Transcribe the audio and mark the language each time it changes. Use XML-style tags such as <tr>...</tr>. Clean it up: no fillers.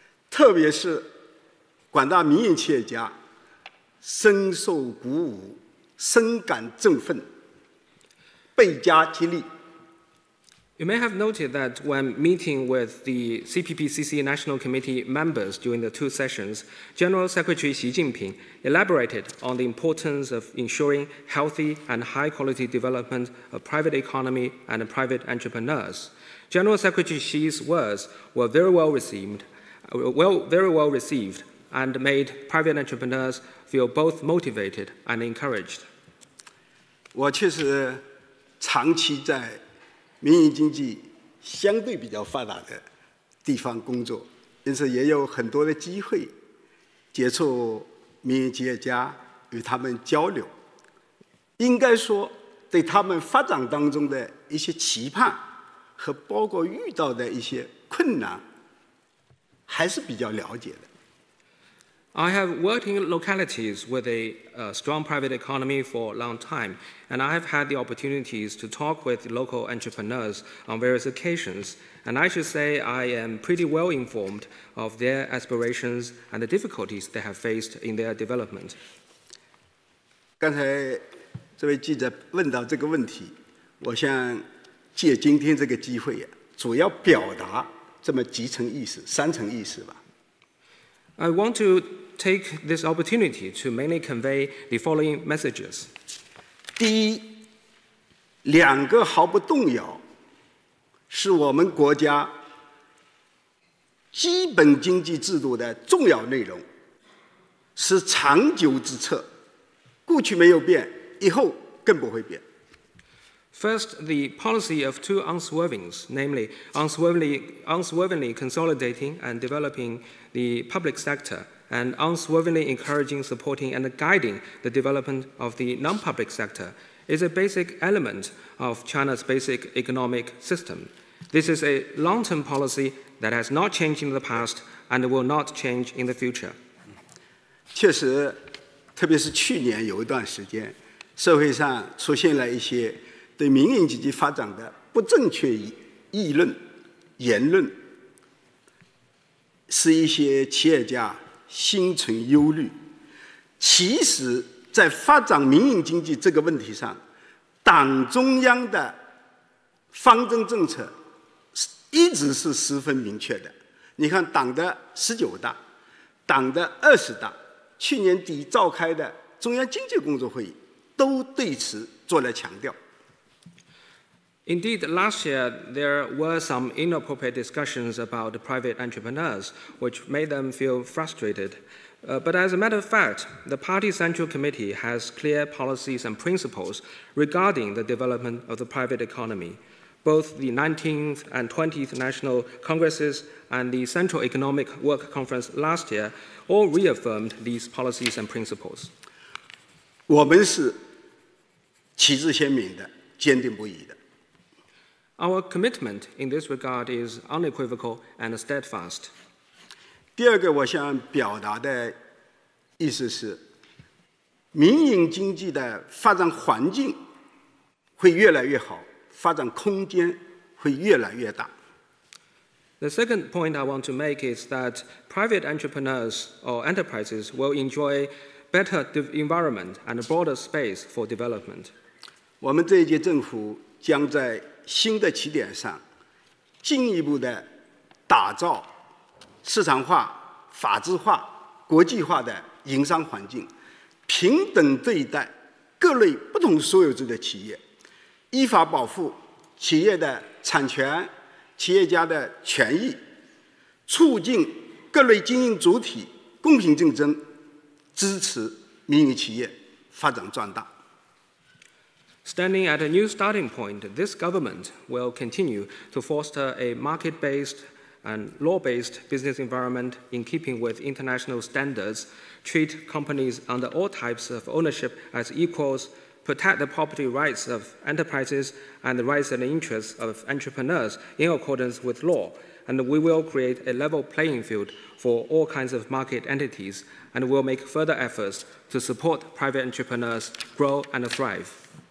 <zh>特别是广大民营企业家深受鼓舞，深感振奋。</zh> <en>You may have noted that when meeting with the CPPCC National Committee members during the two sessions, General Secretary Xi Jinping elaborated on the importance of ensuring healthy and high-quality development of private economy and private entrepreneurs. General Secretary Xi's words were very well received, and made private entrepreneurs feel both motivated and encouraged.</en> <zh>我确实长期在民营经济相对比较发达的地方工作，因此也有很多的机会接触民营企业家，与他们交流。应该说，对他们发展当中的一些期盼和包括遇到的一些困难，还是比较了解的。</zh> <en>I have worked in localities with a strong private economy for a long time, and I have had the opportunities to talk with local entrepreneurs on various occasions, and I should say I am pretty well informed of their aspirations and the difficulties they have faced in their development.</en> <zh>刚才这位记者问到这个问题，我想借今天这个机会，主要表达这么几层意思，三层意思吧。</zh> <en>I want to take this opportunity to mainly convey the following messages.</en> <zh>第一，两个毫不动摇，是我们国家基本经济制度的重要内容，是长久之策，过去没有变，以后更不会变。</zh> <en>First, the policy of two unswervings, namely unswervingly consolidating and developing the public sector, and unswervingly encouraging, supporting, and guiding the development of the non-public sector, is a basic element of China's basic economic system. This is a long-term policy that has not changed in the past and will not change in the future.</en> <zh>确实，特别是去年有一段时间，社会上出现了一些对民营经济发展的不正确议论、言论，使一些企业家心存忧虑。其实，在发展民营经济这个问题上，党中央的方针政策一直是十分明确的。你看党的十九大，党的二十大，去年底召开的中央经济工作会议都对此做了强调。</zh> <en>Indeed, last year there were some inappropriate discussions about private entrepreneurs, which made them feel frustrated. But as a matter of fact, the Party Central Committee has clear policies and principles regarding the development of the private economy. Both the 19th and 20th National Congresses and the Central Economic Work Conference last year all reaffirmed these policies and principles.</en> <zh>我们是旗帜鲜明的，坚定不移的。</zh> <en>Our commitment in this regard is unequivocal and steadfast.</en> <zh>第二个我想表达的意思是，民营经济的发展环境会越来越好，发展空间会越来越大。</zh> <en>The second point I want to make is that private entrepreneurs or enterprises will enjoy better environment and a broader space for development.</en> <zh>我们这一届政府将在新的起点上进一步的打造市场化、法治化、国际化的营商环境，平等对待各类不同所有制的企业，依法保护企业的产权、企业家的权益，促进各类经营主体公平竞争，支持民营企业发展壮大。</zh> <en>Standing at a new starting point, this government will continue to foster a market-based and law-based business environment in keeping with international standards, treat companies under all types of ownership as equals, protect the property rights of enterprises and the rights and interests of entrepreneurs in accordance with law, and we will create a level playing field for all kinds of market entities and will make further efforts to support private entrepreneurs grow and thrive.</en>